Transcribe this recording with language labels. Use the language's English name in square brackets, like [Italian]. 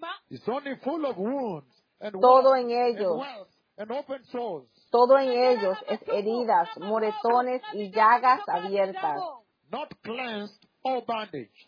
[English] It's only full of wounds and [Spanish] todo en ellos. [English] And wells and open sores. [Spanish] Todo en ellos es heridas, moretones y llagas abiertas. [English] Not cleansed or bandaged.